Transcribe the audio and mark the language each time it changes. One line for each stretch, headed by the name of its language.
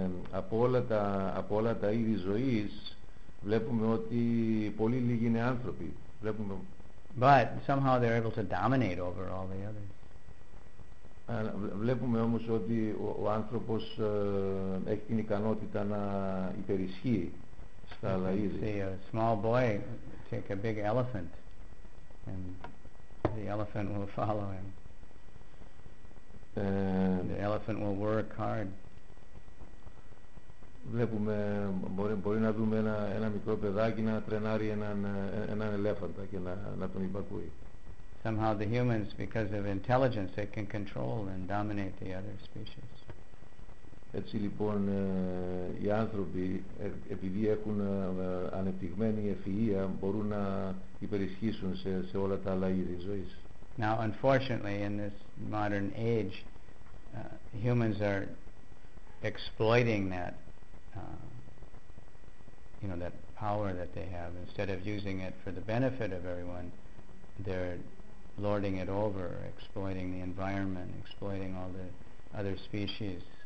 Greek: Από όλα τα είδη ζωής βλέπουμε ότι πολύ λίγοι είναι άνθρωποι.
English: But somehow they're able to dominate over all the others.
Greek: Βλέπουμε όμως ότι ο άνθρωπος έχει την ικανότητα να υπερισχύει στα άλλα είδη.
English: See a small boy take a big elephant and the elephant will follow him. The elephant will work hard.
Greek: Βλέπουμε, μπορεί να δούμε ένα μικρό παιδάκι να τρενάρει έναν ελέφαντα και να τον υπακούει.
English: Somehow the humans, because of intelligence, they can control and dominate the other species.
Greek: Έτσι λοιπόν, οι άνθρωποι, επειδή έχουν ανεπτυγμένη ευφυΐα, μπορούν να υπερισχύσουν σε όλα τα άλλα είδη ζωής.
English: Now, unfortunately, in this modern age, humans are exploiting that, you know, that power that they have. Instead of using it for the benefit of everyone, they're lording it over, exploiting the environment, exploiting all the other species.